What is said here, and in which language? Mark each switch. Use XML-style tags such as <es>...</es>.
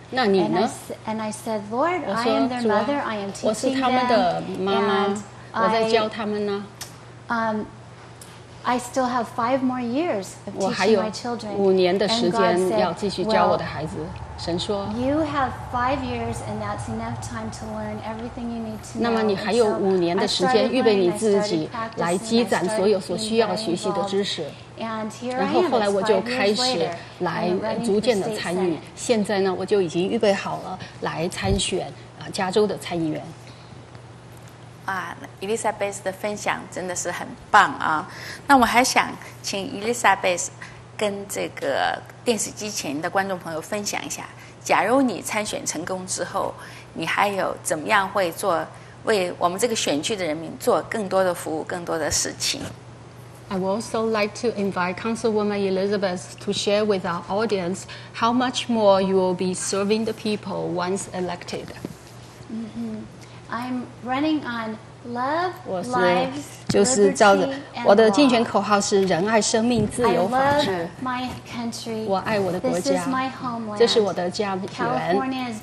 <en>And I said, Lord, I am their mother, I am teaching them, and I still have five more years of teaching my children. And God said, well, You have 5 years, and that's enough time to learn everything you need to know.</en> <zh>那么你还有五年的时间，预备你自己来积攒所有所需要学习的知识。然后后来我就开始来逐渐的参与。现在呢，我就已经预备好了来参选加州的参议员。啊 ，Elizabeth 的分享真的是很棒啊！那我还想请 Elizabeth。跟这个电视机前的观众朋友分享一下，假如你参选成功之后，你还有怎么样会做为我们这个选区的人民做更多的服务，更多的事情</zh> <en>？I would also like to invite Councilwoman Elizabeth to share with our audience how much more you will be serving the people once elected. Mm-hmm. I'm running on. Love,</en> <zh>我是就是照着我的竞选口号是仁爱生命自由法治。我爱我的国家，这是我的家园。</zh>